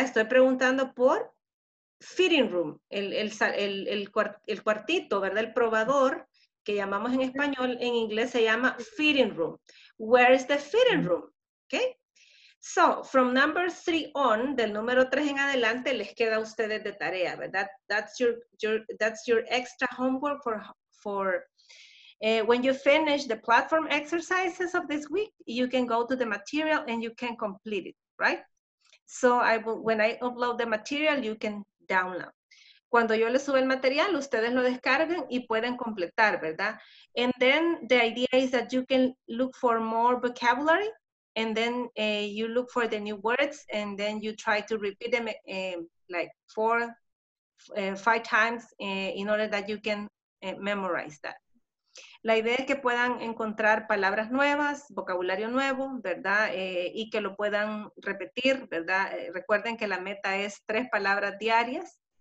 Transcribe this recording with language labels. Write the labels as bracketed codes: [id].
[es] Estoy preguntando por fitting room, el cuartito, ¿verdad? El probador, que llamamos en español, en inglés se llama fitting room. [en] Where is the fitting room? Okay. So, from number three on, [es] del número tres en adelante, [en] les queda a ustedes de tarea, ¿verdad? That's your extra homework for when you finish the platform exercises of this week, you can go to the material and you can complete it, right? So, when I upload the material, you can download. [es] Cuando yo les sube el material, ustedes lo descarguen y pueden completar, ¿verdad? [en] And then the idea is that you can look for more vocabulary and then you look for the new words and then you try to repeat them like five times in order that you can memorize that. [es] La idea es que puedan encontrar palabras nuevas, vocabulario nuevo, ¿verdad? Y que lo puedan repetir, ¿verdad? Recuerden que la meta es tres palabras diarias.